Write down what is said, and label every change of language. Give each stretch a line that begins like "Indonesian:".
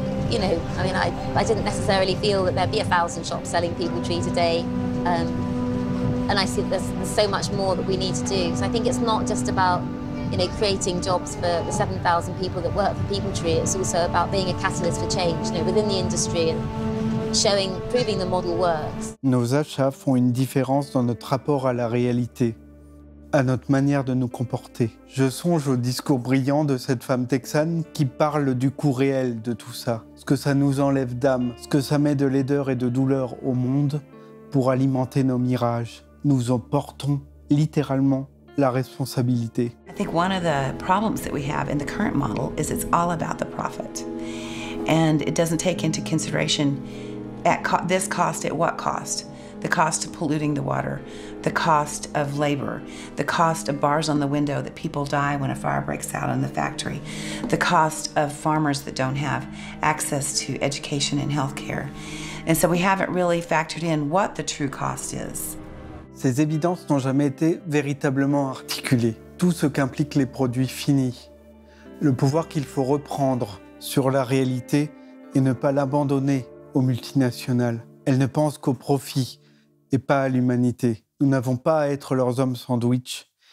French: You know, I mean, I didn't necessarily feel that there'd be 1,000 shops selling People Tree today. And I see that there's so much more that we need to do. So I think it's not just about, you know, creating jobs for the 7,000 people that work for People Tree. It's also about being a catalyst for change, you know, within the industry and showing, proving the model works. Nos achats font une différence dans notre rapport à la réalité, à notre manière de nous comporter. Je songe au discours brillant de cette femme texane qui parle du coût réel de tout ça. Ce que ça nous enlève d'âme, ce que ça met de laideur et de douleur au monde pour alimenter nos mirages. Nous en portons littéralement la responsabilité.
English: I think one of the problems that we have in the current model is it's all about the profit. And it doesn't take into consideration at this cost, at what cost? The cost of polluting the water, the cost of labor, the cost of bars on the window that people die when a fire breaks out in the factory, the cost of farmers that don't have access to education and healthcare. And so we haven't really factored in what the true cost is.
French: Ces évidences n'ont jamais été véritablement articulées. Tout ce qu'impliquent les produits finis, le pouvoir qu'il faut reprendre sur la réalité et ne pas l'abandonner aux multinationales. Elles ne pensent qu'au profit et pas à l'humanité. Nous n'avons pas à être leurs hommes sandwich.